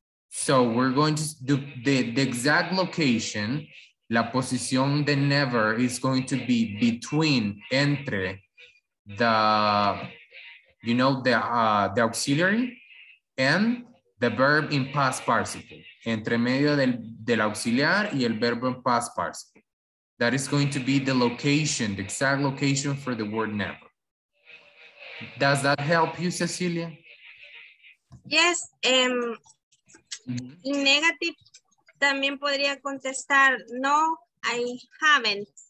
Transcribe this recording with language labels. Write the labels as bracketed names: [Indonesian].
[English] So we're going to do the exact location. [Spanish] La posición de [English] never is going to be between, [Spanish] entre, [English] the, you know, the auxiliary and the verb in past participle. [Spanish] Entre medio del auxiliar y el verbo en past participle. [English] That is going to be the location, the exact location for the word never. Does that help you, Cecilia? Yes. Mm-hmm. Negative. [Spanish] También podría contestar, no, [English] I haven't.